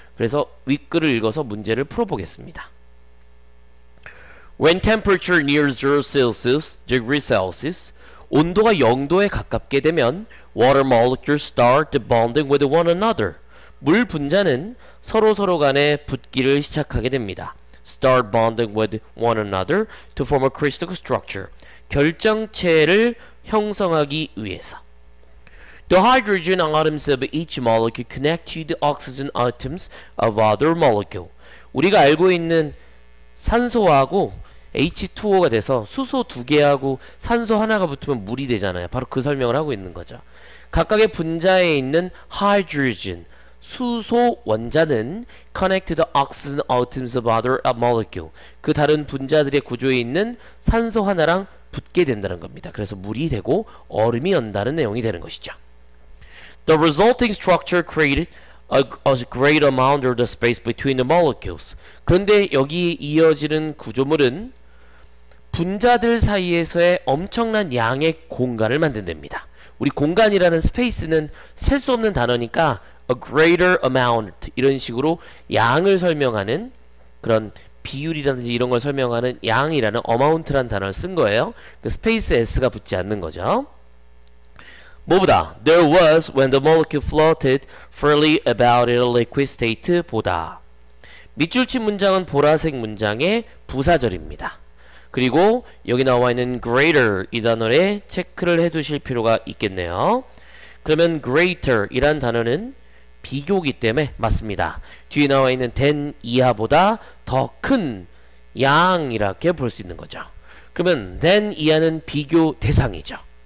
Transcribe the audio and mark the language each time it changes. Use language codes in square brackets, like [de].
[ko] 그래서 윗글을 읽어서 문제를 풀어보겠습니다. [en] When temperature near 0 Celsius, degree Celsius, [ko] 온도가 0도에 가깝게 되면 [en] water molecules start bonding with one another. [ko] 물 분자는 서로 간에 붙기를 시작하게 됩니다. [en] Start bonding with one another to form a crystal structure. [ko] 결정체를 형성하기 위해서. [en] The hydrogen atoms of each molecule connect to the oxygen atoms of other molecule. [ko] 우리가 알고 있는 산소하고 H2O가 돼서 수소 두 개하고 산소 하나가 붙으면 물이 되잖아요. 바로 그 설명을 하고 있는 거죠. 각각의 분자에 있는 [en] hydrogen, [ko] 수소 원자는 [en] connect to the oxygen atoms of other molecule. [ko] 그 다른 분자들의 구조에 있는 산소 하나랑 붙게 된다는 겁니다. 그래서 물이 되고 얼음이 연다는 내용이 되는 것이죠. [en] The resulting structure created a great amount of the space between the molecules. [ko] 그런데 여기 이어지는 구조물은 분자들 사이에서의 엄청난 양의 공간을 만든답니다. 우리 공간이라는 스페이스는 셀수 없는 단어니까 [en] a greater amount [ko] 이런 식으로 양을 설명하는 그런 비율이라든지 이런 걸 설명하는 양이라는 amount란 단어를 쓴 거예요. 그 스페이스 S가 붙지 않는 거죠. 뭐보다 [en] there was when the molecule floated freely about in a liquid state [ko] 보다. 밑줄 친 문장은 보라색 문장의 부사절입니다. 그리고 여기 나와 있는 greater 이 단어를 체크를 해두실 필요가 있겠네요. 그러면 greater 이란 단어는 비교기 때문에 맞습니다. 뒤에 나와 있는 than 이하보다 더큰 양이라고 볼수 있는 거죠. 그러면 than 이하는 비교 대상이죠.